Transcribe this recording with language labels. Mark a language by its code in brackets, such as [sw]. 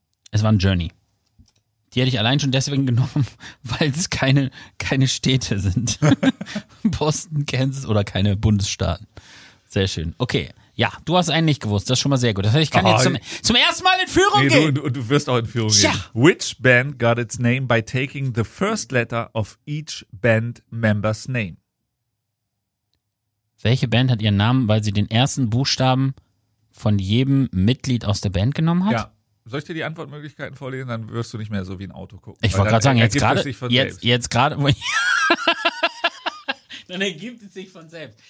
[de] Es war ein Journey. Die hätte ich allein schon deswegen genommen, weil es keine Städte sind. Boston, Kansas oder keine Bundesstaaten. Sehr schön. Okay. Ja, du hast einen nicht gewusst. Das ist schon mal sehr gut. Das heißt, ich kann jetzt zum ersten Mal in Führung gehen. Und du wirst auch in Führung gehen. [en] Which band got its name by taking the first letter of each band member's name? [de] Welche Band hat ihren Namen, weil sie den ersten Buchstaben von jedem Mitglied aus der Band genommen hat? Ja. Soll ich dir die Antwortmöglichkeiten vorlesen? Dann wirst du nicht mehr so wie ein Auto gucken. Ich wollte gerade sagen, jetzt gerade. Dann ergibt es sich von selbst.